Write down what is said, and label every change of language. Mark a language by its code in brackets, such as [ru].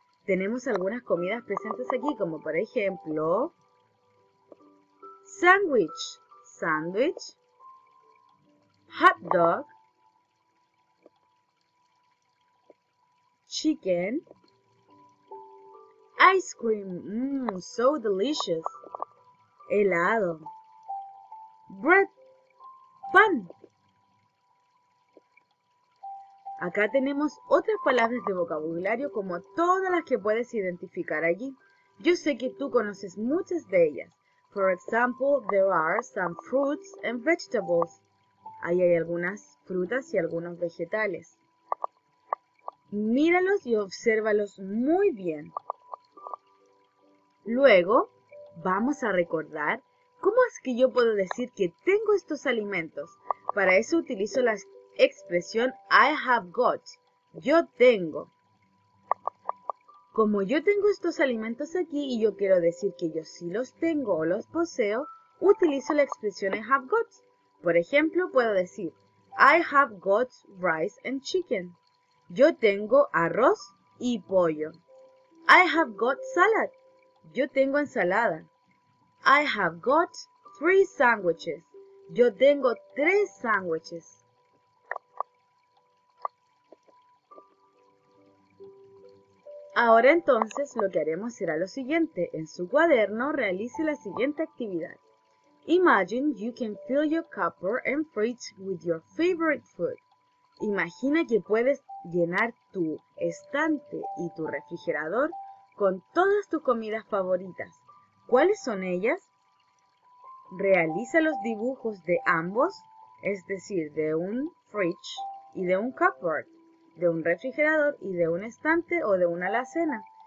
[es] Tenemos algunas comidas presentes aquí, como por ejemplo, sandwich, sándwich, hot dog, chicken, [en] ice cream, so delicious, [es] helado, bread, pan. Acá tenemos otras palabras de vocabulario como todas las que puedes identificar allí. Yo sé que tú conoces muchas de ellas. [en] For example, there are some fruits and vegetables. [es] Ahí hay algunas frutas y algunos vegetales. Míralos y obsérvalos muy bien. Luego, vamos a recordar cómo es que yo puedo decir que tengo estos alimentos. Para eso utilizo la expresión [en] I have got. [es] Yo tengo. Como yo tengo estos alimentos aquí y yo quiero decir que yo sí los tengo o los poseo, utilizo la expresión [en] I have got. [es] Por ejemplo, puedo decir [en] I have got rice and chicken. [es] Yo tengo arroz y pollo. [en] I have got salad. [es] Yo tengo ensalada. [en] I have got three sandwiches. [es] Yo tengo tres sándwiches. Ahora entonces lo que haremos será lo siguiente. En su cuaderno realice la siguiente actividad. [en] Imagine you can fill your cupboard and fridge with your favorite food. [es] Imagina que puedes llenar tu estante y tu refrigerador con todas tus comidas favoritas. ¿Cuáles son ellas? Realiza los dibujos de ambos, es decir, de un fridge y de un cupboard, de un refrigerador y de un estante o de una alacena.